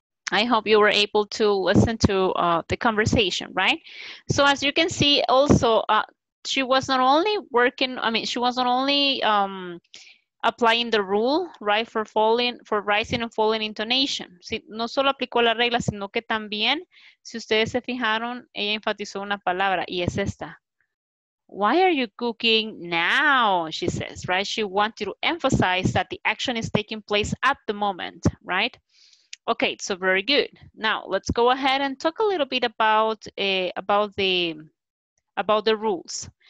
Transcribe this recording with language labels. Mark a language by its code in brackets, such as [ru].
[en] I hope you were able to listen to the conversation, right? So as you can see also, she was not only working, I mean, she was not only applying the rule, right, for rising and falling intonation. [es] Si, no solo aplicó la regla, sino que también, si ustedes se fijaron, ella enfatizó una palabra, y es esta. [en] Why are you cooking now, she says, right? She wanted to emphasize that the action is taking place at the moment, right? Okay, so very good. Now let's go ahead and talk a little bit about the rules.